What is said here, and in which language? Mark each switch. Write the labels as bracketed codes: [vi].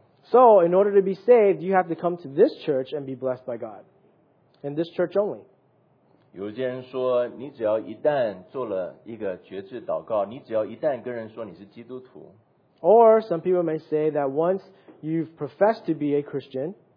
[en] So, in order to be saved, you have to come to this church and be blessed by God. In this church only. [zh] 有些人说,你只要一旦做了一个决志祷告,你只要一旦跟人说你是基督徒, [en] or some people may say that once you've professed to be a Christian,